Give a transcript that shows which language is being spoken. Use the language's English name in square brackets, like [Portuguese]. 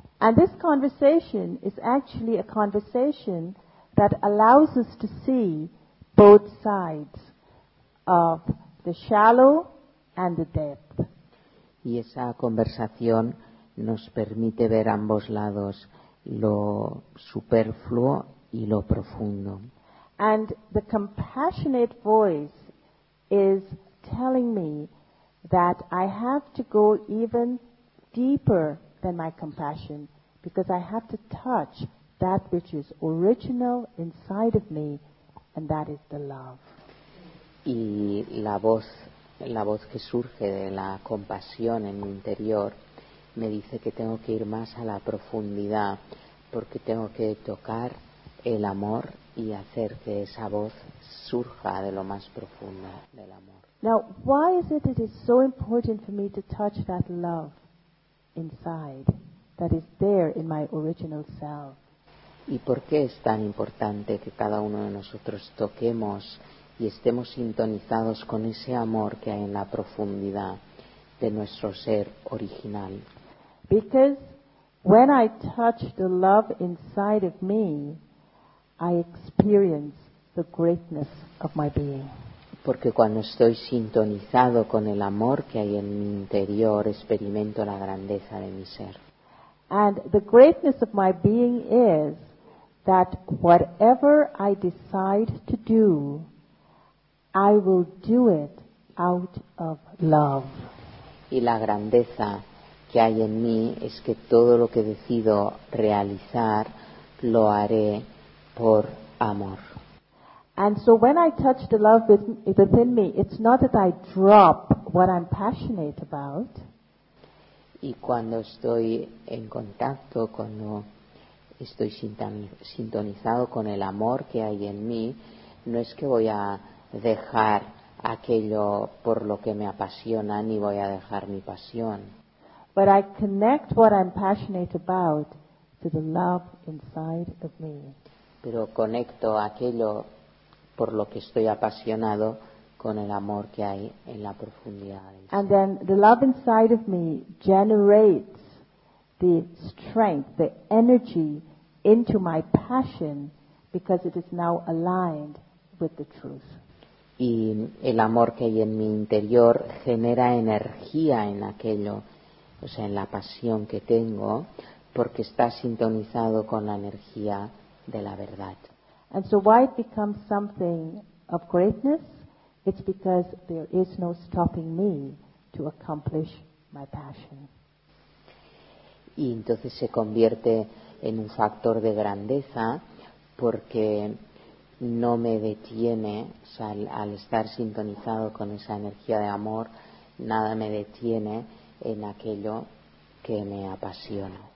[English] And this conversation is actually a conversation that allows us to see both sides of the shallow and the depth. [Spanish] Y esa conversación nos permite ver ambos lados, lo superfluo y lo profundo. [English] And the compassionate voice is telling me that I have to go even deeper than my compassion, because I have to touch that which is original inside of me, and that is the love. [Spanish] Y la voz que surge de la compasión en mi interior me dice que tengo que ir más a la profundidad, porque tengo que tocar el amor y hacer que esa voz surja de lo más profundo del amor. [English] Now, why is it is so important for me to touch that love inside that is there in my original self? [Spanish] ¿Y por qué es tan importante que cada uno de nosotros toquemos y estemos sintonizados con ese amor que hay en la profundidad de nuestro ser original? [English] Because when I touch the love inside of me, I experience the greatness of my being. [Spanish] Porque cuando estoy sintonizado con el amor que hay en mi interior, experimento la grandeza de mi ser. [English] And the greatness of my being is that whatever I decide to do, I will do it out of love. [Spanish] Y la grandeza que hay en mí es que todo lo que decido realizar lo haré por amor. [English] And so when I touch the love within me, it's not that I drop what I'm passionate about. [Spanish] Y cuando estoy en contacto, cuando estoy sintonizado con el amor que hay en mí, no es que voy a dejar aquello por lo que me apasiona, ni voy a dejar mi pasión. [English] But I connect what I'm passionate about to the love inside of me. [Spanish] Pero conecto aquello por lo que estoy apasionado con el amor que hay en la profundidad. [English] And then the love inside of me generates the strength, the energy into my passion, because it is now aligned with the truth. [Spanish] Y el amor que hay en mi interior genera energía en aquello, o sea, en la pasión que tengo, porque está sintonizado con la energía de la verdad. [English] And so why it becomes something of greatness? It's because there is no stopping me to accomplish my passion. [Spanish] Y entonces se convierte en un factor de grandeza porque no me detiene, o sea, al estar sintonizado con esa energía de amor, nada me detiene en aquello que me apasiona.